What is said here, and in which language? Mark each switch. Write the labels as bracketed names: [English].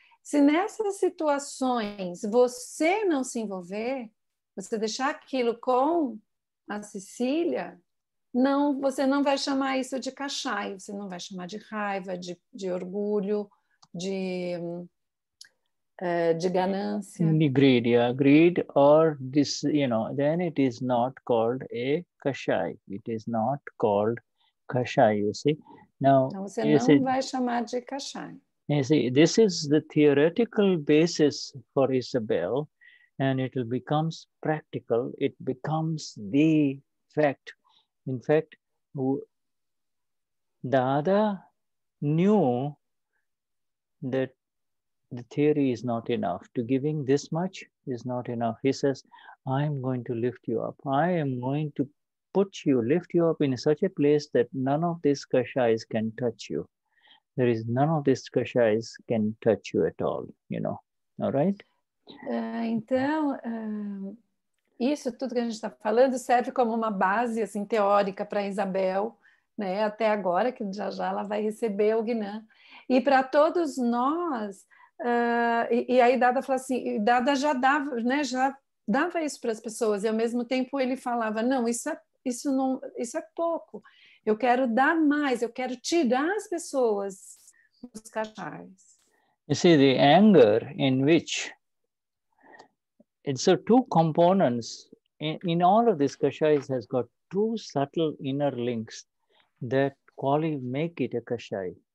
[Portuguese] Se nessas situações você não se envolver, você deixar aquilo com a Cecília, não, você não vai chamar isso de cachai, você não vai chamar de raiva, de orgulho, de ganância. [English] Greed, yeah. Greed or this, you know, then it is not called a kashai. It is not called kashai, you see. Now, [Portuguese] então você não see, vai chamar de kashai. [English] You see, this is the theoretical basis for Isabel, and it becomes practical, it becomes the fact. In fact, Dada knew that the theory is not enough. To giving this much is not enough. He says, I am going to lift you up. I am going to put you, lift you up in such a place that none of these kashais can touch you. There is none of these kashais can touch you at all, you know. All right? [Portuguese] Então, isso tudo que a gente está falando serve como uma base assim, teórica para Isabel, né? Até agora, que já já ela vai receber o Gnã. E para todos nós, e aí Dada fala assim, Dada já dava, né? Já dava isso para as pessoas, e ao mesmo tempo ele falava, não, isso é pouco, eu quero dar mais, eu quero tirar as pessoas dos cachais. [English] You see, the anger in which and so two components in all of this kashais has got two subtle inner links that make it a kashai.